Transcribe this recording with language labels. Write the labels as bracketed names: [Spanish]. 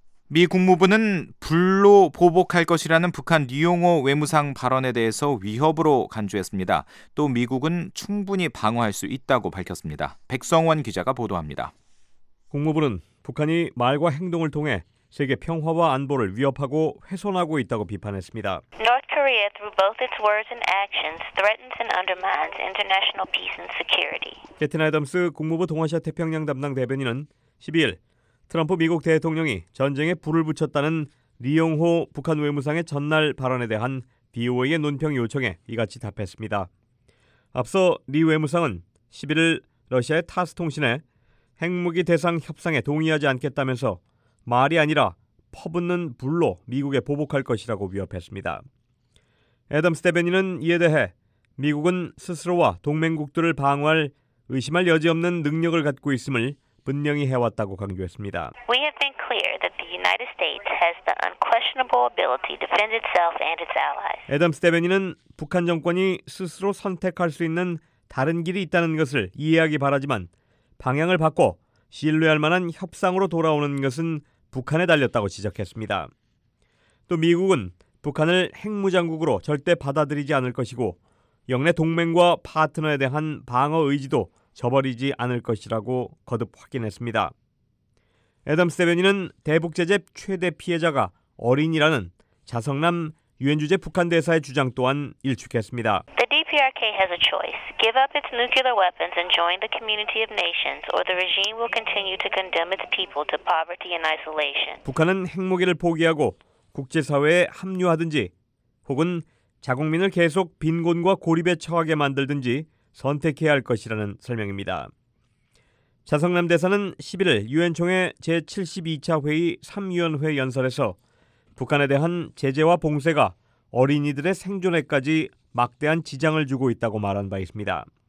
[Korean] 미 국무부는 불로 보복할 것이라는 북한 리용호 외무상 발언에 대해서 위협으로 간주했습니다. 또 미국은 충분히 방어할 수 있다고 밝혔습니다. 백성원 기자가 보도합니다. 국무부는 북한이 말과 행동을 통해 세계 평화와 안보를 위협하고 훼손하고 있다고 비판했습니다. [English] North Korea, through both its words and actions, threatens and undermines international peace and security. [Korean] 캐티 아덤스 국무부 동아시아 태평양 담당 대변인은 12일 트럼프 미국 대통령이 전쟁에 불을 붙였다는 리용호 북한 외무상의 전날 발언에 대한 BOA의 논평 요청에 이같이 답했습니다. 앞서 리 외무상은 11일 러시아의 타스 통신에 핵무기 대상 협상에 동의하지 않겠다면서 말이 아니라 퍼붓는 불로 미국에 보복할 것이라고 위협했습니다. 애덤스 대변인은 이에 대해 미국은 스스로와 동맹국들을 방어할 의심할 여지 없는 능력을 갖고 있음을 분명히 해왔다고 강조했습니다. [English] We have been clear that the United States has the unquestionable ability to defend itself and its allies. [Korean] 애덤스 대변인은 북한 정권이 스스로 선택할 수 있는 다른 길이 있다는 것을 이해하기 바라지만 방향을 바꿔 신뢰할 만한 협상으로 돌아오는 것은 북한에 달렸다고 지적했습니다. 또 미국은 북한을 핵무장국으로 절대 받아들이지 않을 것이고 영내 동맹과 파트너에 대한 방어 의지도 저버리지 않을 것이라고 거듭 확인했습니다. 애덤스 대변인은 대북제재 최대 피해자가 어린이라는 자성남 유엔주재 북한 대사의 주장 또한 일축했습니다. [English] The DPRK has a choice. Give up its nuclear weapons and join the community of nations, or the regime will continue to condemn its people to poverty and isolation. [Korean] 북한은 핵무기를 포기하고 국제사회에 합류하든지 혹은 자국민을 계속 빈곤과 고립에 처하게 만들든지 선택해야 할 것이라는 설명입니다. 자성남 대사는 11일 유엔총회 제72차 회의 3위원회 연설에서 북한에 대한 제재와 봉쇄가 어린이들의 생존에까지 막대한 지장을 주고 있다고 말한 바 있습니다.